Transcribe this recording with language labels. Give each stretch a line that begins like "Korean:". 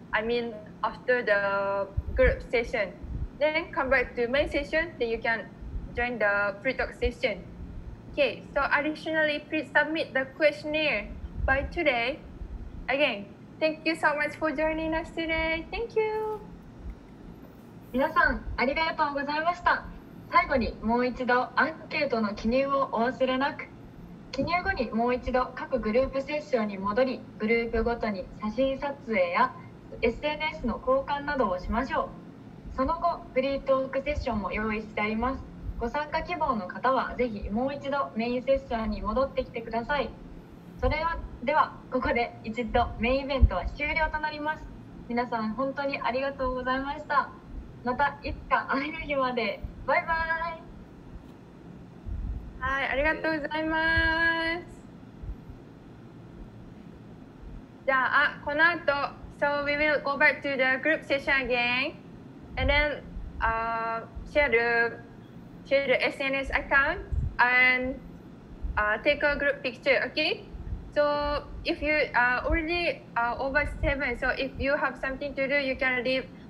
English: I mean after the group session, then come back to main session. Then you can join the free talk session. Okay, so additionally, please submit the questionnaire by today. Again, thank you so much for joining us today. Thank you.
Japanese: 皆さん、ありがとうございました。最後にもう一度アンケートの記入をお忘れなく。記入後にもう一度各グループセッションに戻り、グループごとに写真撮影や SNS の交換などをしましょう。その後、フリートークセッションも用意してあります。ご参加希望の方はぜひもう一度メインセッションに戻ってきてください。それではここで一度メインイベントは終了となります。皆さん本当にありがとうございました。またいつか会える日まで、バイバイ。はい、ありがとうございます。じゃあこの後
English: So we will go back to the group session again and then share the SNS account and take a group picture, okay? So if you are already over 7, so if you have something to do, you can leave.